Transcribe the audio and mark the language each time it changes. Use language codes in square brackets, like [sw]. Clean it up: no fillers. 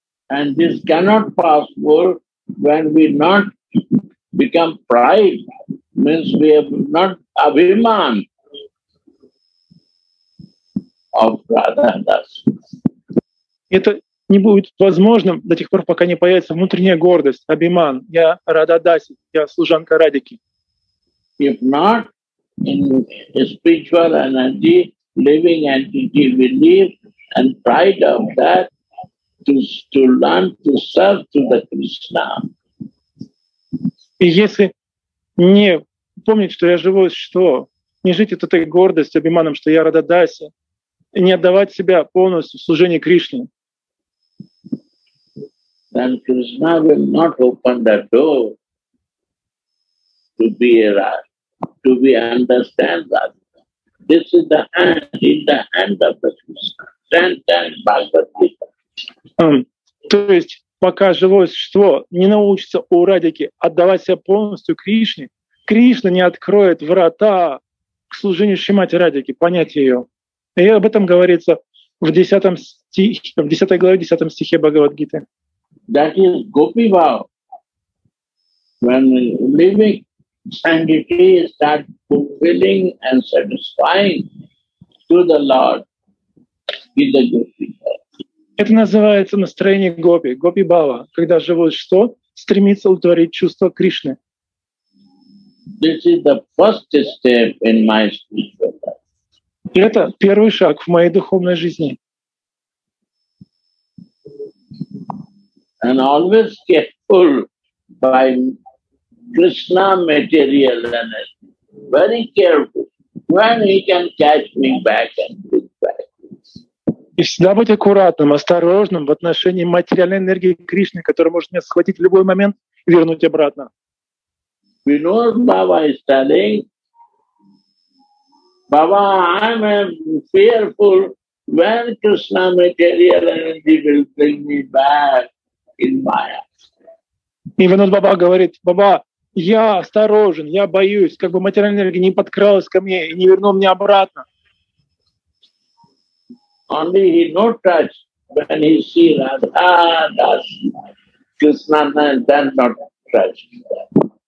[en] And this cannot possible when we not become pride, means we have not abhiman of brotherhood. [ru] Это не будет возможным до тех пор, пока не появится внутренняя гордость, абиман. Я Рада Даси, я служанка Радики. [en] If not, in spiritual energy, living entity believe and pride of that to learn to serve to the Krishna. [ru] И если не помнить, что я живое существо, не жить от этой гордости, абиманом, что я Рада Даси, и не отдавать себя полностью в служении Кришне, [en] then Krishna will not open the door to be understand that this is the hand in the hand of the Krishna. Stand Bhagavad Gita. [ru] То есть, пока живое существо не научится у Радики отдавать себя полностью Кришне, Кришна не откроет врата к служению Шримати Радики, понять ее. И об этом говорится в 10 стихе, в 10 главе, 10 стихе Бхагавад Гиты. [en] That is Gopi Bhav. When living sanctity start fulfilling and satisfying to the Lord with the Gopi Bhav. [ru] Это называется настроение Гопи, Гопи Бхава, когда живое существо стремится удовлетворить чувство Кришны. [en] This is the first step in my spiritual life. [ru] Это первый шаг в моей духовной жизни. [en] And always careful by Krishna material energy. Very careful when he can catch me back and bring back. [ru] И всегда быть аккуратным, осторожным в отношении материальной энергии Кришны, которая может меня схватить в любой момент и вернуть обратно. [en] We know Baba is telling, Baba, I am fearful when Krishna material energy will bring me back. [ru] И Винод Баба говорит: Баба, я осторожен, я боюсь, как бы материальная энергия не подкралась ко мне и не вернула мне обратно. [en] Only he no touch when he see Radha Das. Krishna then not touch.